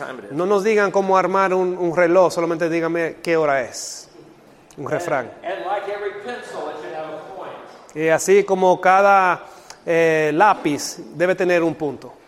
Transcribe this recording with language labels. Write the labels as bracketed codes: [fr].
[es] No nos digan cómo armar un reloj, solamente díganme qué hora es. Un refrán. [en] And like every pencil, it should have a point. [es] Y así como cada lápiz debe tener un punto.